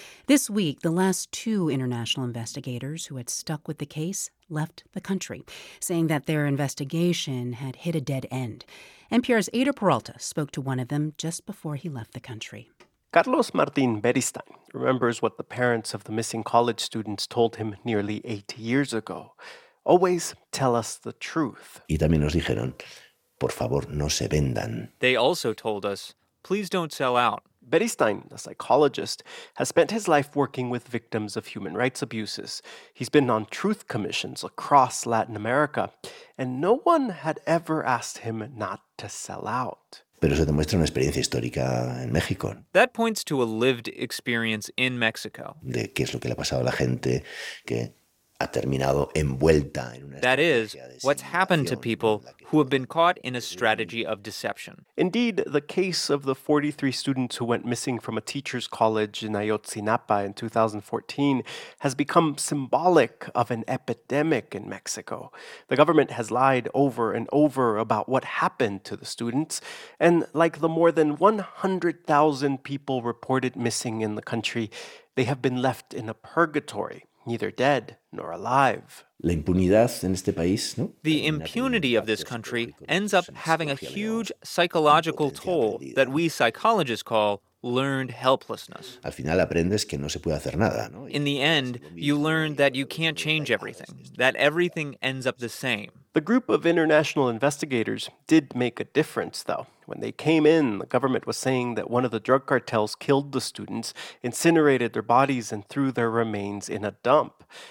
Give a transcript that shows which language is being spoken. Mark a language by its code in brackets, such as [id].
[en] This week, the last two international investigators who had stuck with the case left the country, saying that their investigation had hit a dead end. NPR's Ada Peralta spoke to one of them just before he left the country. Carlos Martin Beristain remembers what the parents of the missing college students told him nearly 8 years ago. Always tell us the truth. [es] Y también nos dijeron, por favor, no se vendan. [en] They also told us, please don't sell out. Beristain, a psychologist, has spent his life working with victims of human rights abuses. He's been on truth commissions across Latin America, and no one had ever asked him not to sell out. [es] Pero eso demuestra una experiencia histórica en México. [en] That points to a lived experience in Mexico. [es] De qué es lo que le ha pasado a la gente que ha terminado envuelta en una. [en] That is, what's happened to people who have been caught in a strategy of deception. Indeed, the case of the 43 students who went missing from a teacher's college in Ayotzinapa in 2014 has become symbolic of an epidemic in Mexico. The government has lied over and over about what happened to the students, and like the more than 100,000 people reported missing in the country, they have been left in a purgatory. Neither dead nor alive. [es] La impunidad en este país, ¿no? [en] The impunity of this country ends up having a huge psychological toll that we psychologists call learned helplessness. [es] Al final aprendes que no se puede hacer nada, ¿no? [en] In the end, you learn that you can't change everything, that everything ends up the same. The group of international investigators did make a difference, though. When they came in, the government was saying that one of the drug cartels killed the students, incinerated their bodies, and threw their remains in a dump.